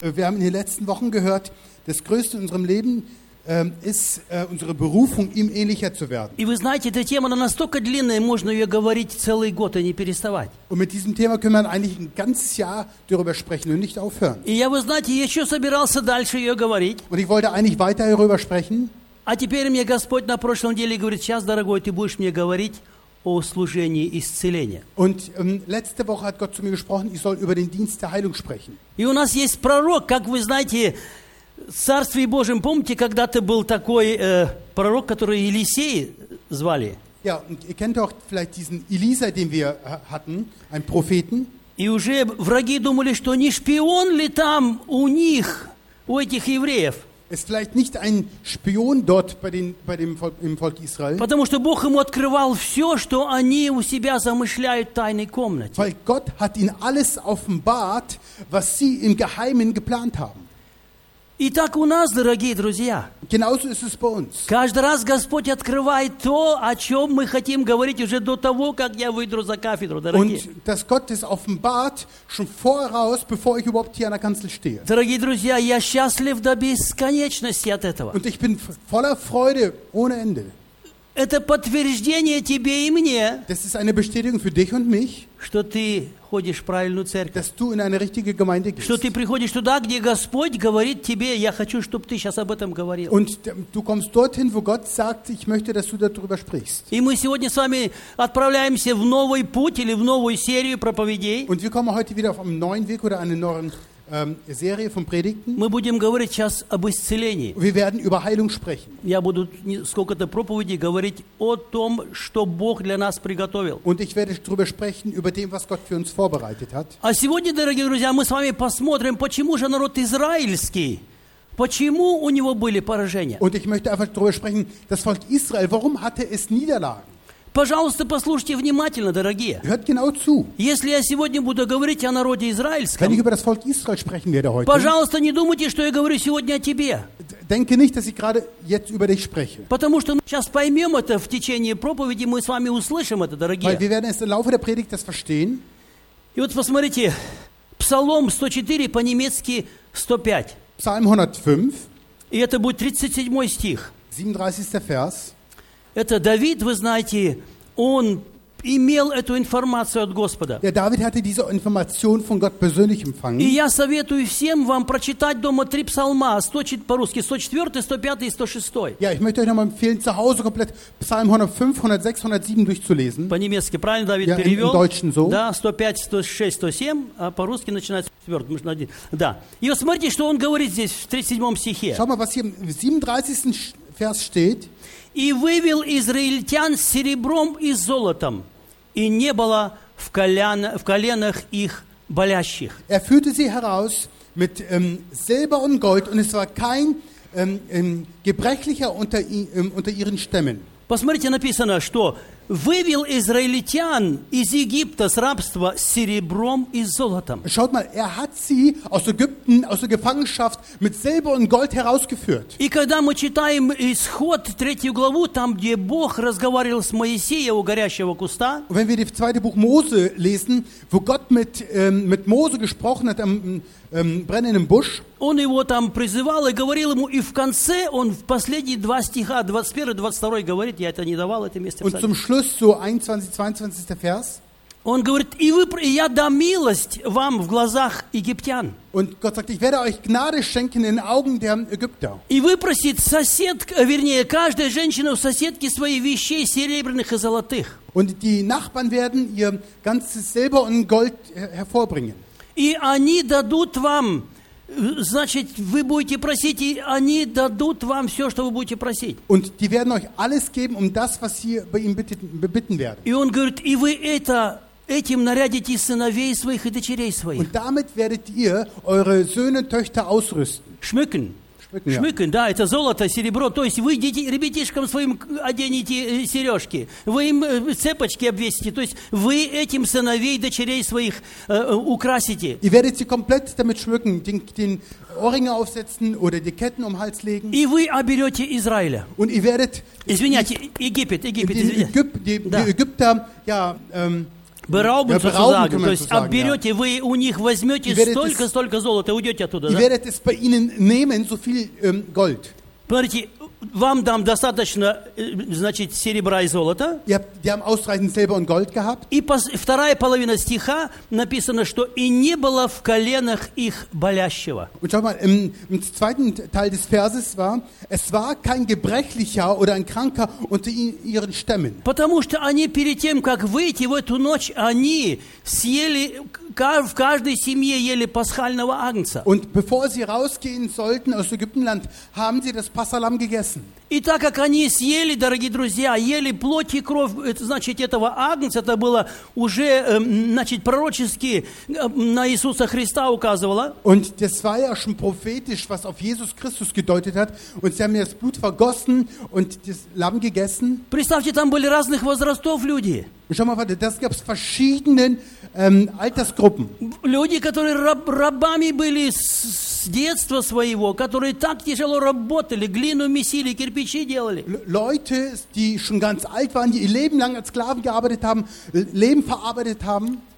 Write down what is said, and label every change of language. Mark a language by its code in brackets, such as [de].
[de] Wir haben in den letzten Wochen gehört, das Größte in unserem Leben ist unsere Berufung, ihm ähnlicher zu werden. [ru] И вы знаете, эта тема настолько длинная, можно ее говорить целый год и не переставать. [de] Und mit diesem Thema können wir eigentlich ein ganzes Jahr darüber sprechen und nicht aufhören. [ru] И я, вы знаете, еще собирался дальше ее говорить. [de] Und ich wollte eigentlich weiter darüber sprechen. [ru] А теперь мне Господь на прошлой неделе говорит: сейчас, дорогой, ты будешь мне говорить о служении исцеления. [de] Und letzte Woche hat Gott zu mir gesprochen, ich soll über den Dienst der Heilung sprechen. [ru] И у нас есть пророк, как вы знаете, в Царстве Божьем, помните, когда-то был такой пророк, который Елисей звали? [de] Ja, und ihr kennt auch vielleicht diesen Elisa, den wir hatten, einen Propheten. [ru] И уже враги думали, что не шпион ли там у них, у этих евреев? [de] Ist vielleicht nicht ein Spion dort im Volk Israel? [ru] Потому что Бог ему открывал все, что они у себя замышляют в тайной комнате. [de] Weil Gott hat ihnen alles offenbart, was sie im Geheimen geplant haben. [ru] И так у нас, дорогие друзья. [de] Genauso ist es bei uns. [ru] Каждый раз Господь открывает то, о чем мы хотим говорить уже до того, как я выйду за кафедру, дорогие. [de] Und dass Gott es offenbart schon voraus, bevor ich überhaupt hier an der Kanzel stehe. [ru] Дорогие друзья, я счастлив до бесконечности от этого. [de] Und ich bin voller Freude ohne Ende. [ru] Это подтверждение тебе и мне. [de] Das ist eine Bestätigung für dich und mich. [ru] Что ты ходишь в правильную церковь. [de] Dass du in eine richtige Gemeinde gehst. [ru] Что ты приходишь туда, где Господь говорит тебе: я хочу, чтобы ты сейчас об этом говорил. [de] Und du kommst dorthin, wo Gott sagt: ich möchte, dass du darüber sprichst. [ru] И мы сегодня с вами отправляемся в новый путь или в новую серию проповедей. [de] Und wir kommen heute wieder auf einen neuen Weg oder eine neue Serie von Predigten. [ru] Мы будем говорить сейчас об исцелении. [de] Wir werden über Heilung sprechen. [ru] Я буду сколько-то проповедей говорить о том, что Бог для нас приготовил. [de] Und ich werde darüber sprechen, über dem, was Gott für uns vorbereitet hat. [ru] А сегодня, дорогие друзья, мы с вами посмотрим, почему же народ израильский, почему у него были поражения. [de] Und ich möchte einfach darüber sprechen, das Volk Israel, warum hatte es Niederlagen? [ru] Пожалуйста, послушайте внимательно, дорогие. [de] Hört genau zu. [ru] Если я сегодня буду говорить о народе израильском, [de] wenn ich über das Volk Israel sprechen werde heute, [ru] пожалуйста, не думайте, что я говорю сегодня о тебе. [de] Denke nicht, dass ich gerade jetzt über dich spreche. [ru] Потому что мы сейчас поймем это в течение проповеди, мы с вами услышим это, дорогие. [de] Weil wir werden es im Laufe der Predigt das verstehen. [ru] И вот посмотрите, Псалом 104, по-немецки 105. [de] Psalm 105. [ru] И это будет 37 стих. [de] 37. Vers. [ru] Это Давид, вы знаете, он имел эту информацию от Господа. [de] Ja, David hatte diese Information von Gott persönlich empfangen. [ru] И я советую всем вам прочитать дома три псалма, 104, по-русски, 104, 105 и 106. [de] Ja, ich möchte euch nochmal empfehlen, zu Hause komplett Psalm 105, 106, 107 durchzulesen. [ru] По-немецки, правильно Давид перевел? [de] Ja, im Deutschen so. [ru] Да, 105, 106, 107, а по-русски начинается 104, можно один. Да. И вот смотрите, что он говорит здесь в 37 стихе. [de] Schau mal, was hier [ru] в [de] 37 Vers steht. [ru] И вывел израильтян серебром и золотом, и не было в коленах их болящих. [de] Er führte sie heraus mit Silber und Gold, und es war kein gebrechlicher unter ihren Stämmen. [ru] Посмотрите, написано, что вывел израильтян из Египта с рабства с серебром и золотом. [de] Schaut mal, hat sie aus Ägypten, aus der Gefangenschaft mit Silber und Gold herausgeführt. [ru] И когда мы читаем Исход, третью главу, там, где Бог разговаривал с Моисеем у горящего куста, [de] und wenn wir das zweite Buch Mose lesen, wo Gott mit Mose gesprochen hat am brennenden Busch, [ru] он его там призывал и говорил ему, и в конце он в последние два стиха, 21 и 22 говорит, я это не давал, это место писать. [de] Und Schluss zu 21, 22. Vers. [ru] Он говорит, и вы, и я дам милость вам в глазах египтян. [de] Und Gott sagt, ich werde euch Gnade schenken in den Augen der Ägypter. [ru] И выпросит соседка, вернее, каждая женщина у соседки свои вещей серебряных и золотых. [de] Und die Nachbarn werden ihr ganzes Silber und Gold hervorbringen. [ru] И они дадут вам, значит, вы будете просить, и они дадут вам все, что вы будете просить. [de] Und die werden euch alles geben, das, was sie bei ihm bitten werden. [ru] И он говорит, и вы этим нарядите сыновей своих и дочерей своих. [de] Und damit werdet ihr eure Söhne, Töchter ausrüsten. Schmücken. Schmücken, [ru] да, это золото, серебро. То есть вы ребятишкам своим оденете сережки, вы им цепочки обвесите. То есть вы этим сыновей, дочерей своих украсите. И [de] werdet sie komplett damit schmücken, den Ohrringe aufsetzen oder die Ketten um Hals legen. [ru] И вы оберете Израиля. [de] Und ihr werdet, [ru] извиняйте, Египет, Египет, извиняйте. [de] Ägypter, ja, Berauben ja, sozusagen. Berauben, [ru] то есть обберете, [de] ja. [ru] Вы у них возьмете столько, [de] es, [ru] столько золота, уйдете оттуда. [de] Ihr werdet es bei ihnen nehmen, so viel Gold. [ru] Смотрите, вам дам достаточно, значит, серебра и золота. [de] Die haben ausreichend Silber und Gold gehabt. [ru] И вторая половина стиха написано, что и не было в коленах их болящего. [de] Und schau mal, im zweiten Teil des Verses war, es war kein gebrechlicher oder ein Kranker unter ihren Stämmen. [ru] Потому что они перед тем, как выйти в эту ночь, они съели, в каждой семье ели пасхального агнца. [de] Und bevor sie rausgehen sollten aus Ägyptenland, haben sie das Passahlamm gegessen. [ru] И так как они съели, дорогие друзья, ели плоть и кровь, значит, этого агнца, это было уже, значит, пророчески на Иисуса Христа указывало. [de] Und das war ja schon prophetisch, was auf Jesus Christus gedeutet hat. Und sie haben das Blut vergossen und das Lamm gegessen. [ru] Представьте, там были разных возрастов люди. [de] Schau mal, warte, das gab es verschiedenen Altersgruppen. [ru] Люди, которые рабами были с детства своего, которые так тяжело работали, глину месили, кирпичи делали. [de] Leute, die schon ganz alt waren, die ihr Leben lang als Sklaven gearbeitet haben, Leben verarbeitet haben.